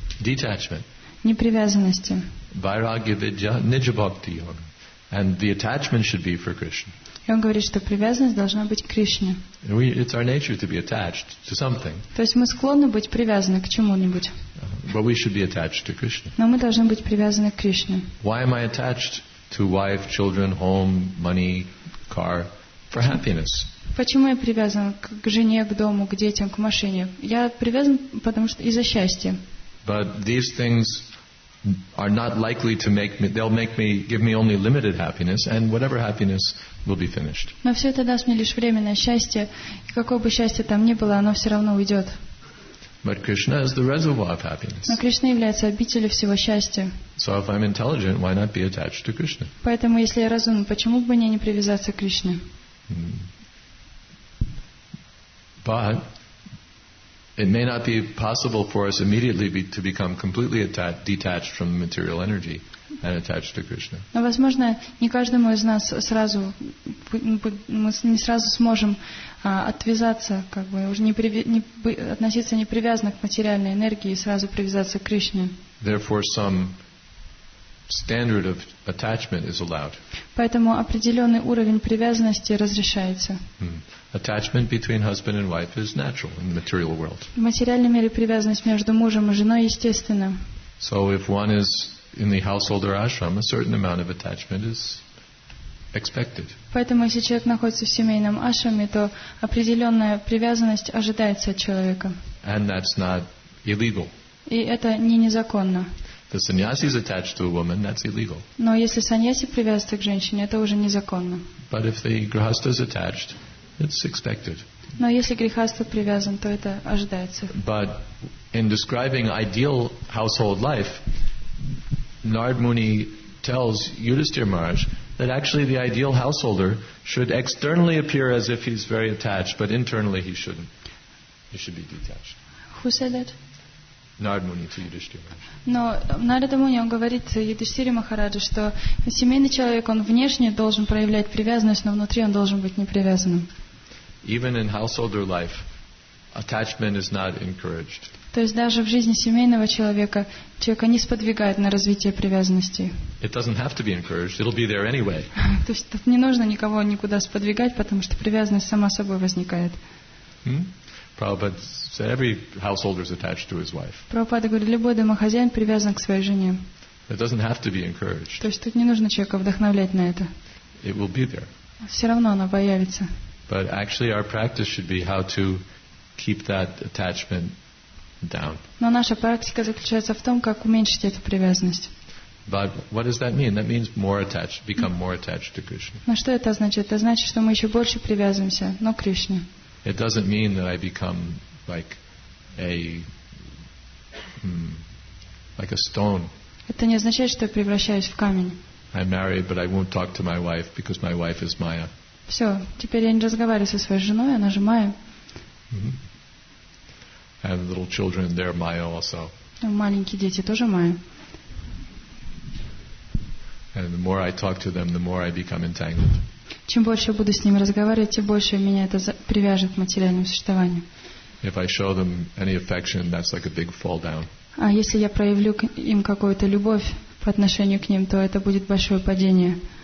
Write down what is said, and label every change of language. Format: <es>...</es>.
<en>Detachment.</en> <ru>Непривязанности.</ru> <sa>Vairagya vidya nija bhakti yoga,</sa> <en>and the attachment should be for Krishna.</en> <ru>И он говорит, что привязанность должна быть к Кришне.</ru> <en>It's our nature to be attached to something.</en> <ru>То есть мы склонны быть привязаны к чему-нибудь.</ru> <en>But we should be attached to Krishna.</en> <ru>Но мы должны быть привязаны к Кришне.</ru> <en>Why am I attached to wife, children, home, money, car for happiness?</en> <ru>Почему я привязан к жене, к дому, к детям, к машине? Я привязан, потому что из-за счастья.</ru> <en>But these things are not likely to make me, they'll make me, give me only limited happiness, and whatever happiness will be finished.</en> <ru>Но все это даст мне лишь временное счастье, и какое бы счастье там ни было, оно все равно уйдет.</ru> <en>But Krishna is the reservoir of happiness.</en> <ru>Но Кришна является обителем всего счастья.</ru> <en>So if I'm intelligent, why not be attached to Krishna?</en> <ru>Поэтому если я разумен, почему бы мне не привязаться к Кришне?</ru> <en>But it may not be possible for us immediately to become completely detached from the material energy and attached to Krishna.</en> <ru>Но возможно, не каждому из нас сразу мы не сразу сможем отвязаться, как бы уже не относиться непривязанно к материальной энергии и сразу привязаться к Кришне.</ru> <en>Therefore, some standard of attachment is allowed.</en> <ru>Поэтому определенный уровень привязанности разрешается.</ru> <en>Attachment between husband and wife is natural in the material world.</en> <ru>В материальном мире привязанность между мужем и женой естественна.</ru> <en>So if one is in the household or ashram, a certain amount of attachment is expected.</en> <ru>Поэтому если человек находится в семейном ашраме, то определенная привязанность ожидается от человека.</ru> <en>And that's not illegal.</en> <ru>И это не незаконно.</ru> <en>The sannyasi is attached to a woman, that's illegal.</en> <ru>Но если саньяси привязаны к женщине, это уже незаконно.</ru> <en>But if the grihastha is attached, it's expected.</en> <ru>Но если грихаста привязан, то это ожидается.</ru> <en>But in describing ideal household life, Narad Muni tells Yudhisthira Maharaj that actually the ideal householder should externally appear as if he's very attached, but internally he shouldn't. He should be detached. Who said that? Narad Muni to Yudhisthira Maharaj.</en> <ru>Но Narad Muni, он говорит Yudhisthira Maharaj, что семейный человек, он внешне должен проявлять привязанность, но внутри он должен быть непривязанным.</ru> <en>Even in householder life, attachment is not encouraged.</en> <ru>То есть даже в жизни семейного человека человека не сподвигает на развитие привязанности.</ru> <en>It doesn't have to be encouraged, it'll be there anyway.</en> <ru>То есть тут не нужно никого никуда сподвигать, потому что привязанность сама собой возникает.</ru> <en>Prabhupada said every householder is attached to his wife.</en> <ru>Прабхупада говорит, любой домохозяин привязан к своей жене.</ru> <en>It doesn't have to be encouraged.</en> <ru>То есть тут не нужно человека вдохновлять на это.</ru> <en>It will be there.</en> <ru>Все равно она появится.</ru> <en>But actually our practice should be how to keep that attachment down.</en> <ru>Но наша практика заключается в том, как уменьшить эту привязанность.</ru> <en>But what does that mean? That means more attached, become more attached to Krishna.</en> <ru>Но что это значит? Это значит, что мы еще больше привязываемся, но к Кришне.</ru> <en>It doesn't mean that I become like a like a stone.</en> <ru>Это не означает, что я превращаюсь в камень.</ru> <en>I'm married, but I won't talk to my wife because my wife is Maya.</en> <ru>Все, теперь я не разговариваю со своей женой, она же Майя.</ru> <en>And little children, they're Maya also.</en> <ru>Маленькие дети тоже Maya.</ru> <en>And the more I talk to them, the more I become entangled.</en> <ru>Чем больше я буду с ними разговаривать, тем больше меня это привяжет к материальному существованию.</ru> <en>If I show them any affection, that's like a big fall down.</en> <ru>А если я проявлю им какую-то любовь по отношению к ним, то это будет большое падение.</ru>